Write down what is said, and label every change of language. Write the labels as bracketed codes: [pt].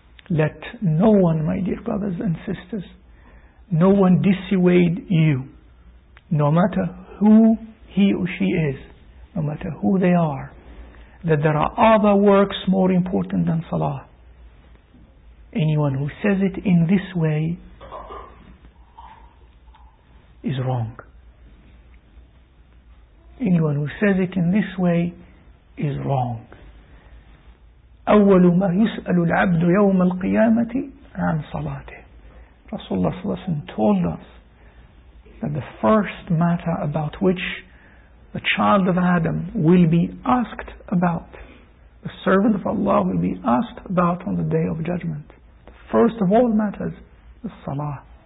[en] Let no one, my dear brothers and sisters, no one dissuade you, no matter who he or she is, no matter who they are, that there are other works more important than salah. Anyone who says it in this way is wrong. Anyone who says it in this way is wrong. [ar] أول ما يسأل العبد يوم القيامة عن صلاته. [en] Rasulullah sallallahu alaihi wasallam told us that the first matter about which the child of Adam will be asked about, the servant of Allah will be asked about on the Day of Judgment, first of all matters, the salah.